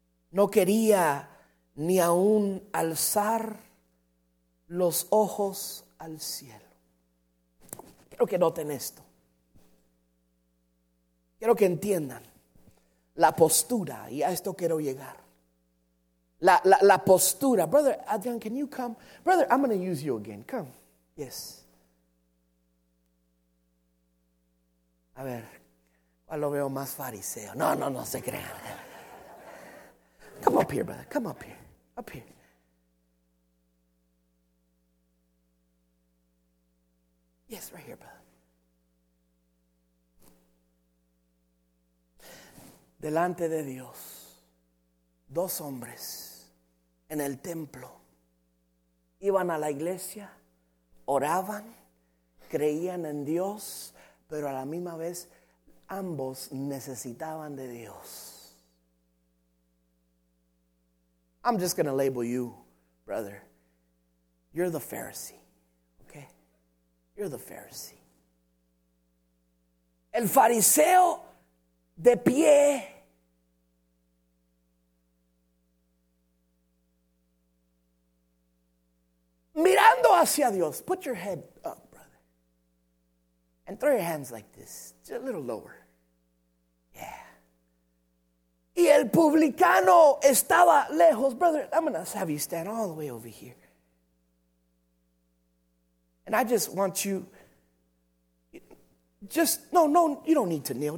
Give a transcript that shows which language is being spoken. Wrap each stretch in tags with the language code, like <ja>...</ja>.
<es>No quería ni aún alzar los ojos al cielo. Quiero que noten esto. Quiero que entiendan la postura, y a esto quiero llegar. La postura.</es> <en>Brother Adrian, can you come? Brother, I'm going to use you again. Come. Yes.</en> <es>A ver, ¿cuál lo veo más fariseo? No se crean.</es> <en>Come up here, brother. Come up here. Up here. Yes, right here, brother.</en> <es>Delante de Dios, dos hombres en el templo iban a la iglesia, oraban, creían en Dios, pero a la misma vez ambos necesitaban de Dios.</es> <en>I'm just going to label you, brother. You're the Pharisee, okay? You're the Pharisee.</en> <es>El fariseo de pie. Mirando hacia Dios.</es> <en>Put your head up, brother. And throw your hands like this. Just a little lower. Yeah.</en> <es>Y el publicano estaba lejos.</es> <en>Brother, I'm going to have you stand all the way over here. And I just want you. Just, no, you don't need to kneel.</en>